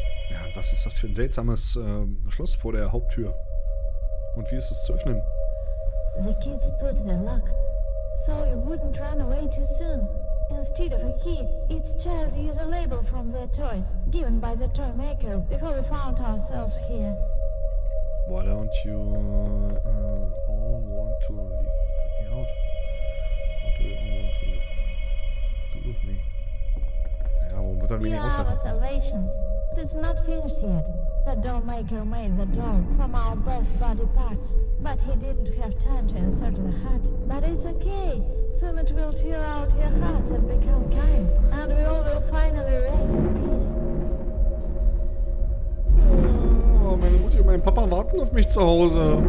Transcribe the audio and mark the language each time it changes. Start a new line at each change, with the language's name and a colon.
German: Ja, was ist das für ein seltsames Schloss vor der Haupttür? Und wie ist es zu öffnen?
English: The kids put the lock, so you wouldn't run away too soon. Instead of a key, each child used a label from their toys, given by the toy maker before we found ourselves here. Why don't you all want to let me out? What do you all want to do with me? You are our salvation. It is not finished yet. The doll maker made the doll from our best body parts, but he didn't have time to insert the heart. But it's okay. Soon it will tear out your heart and become kind, and we all will finally rest in peace.
German: Oh, meine Mutti und mein Papa warten auf mich zu Hause.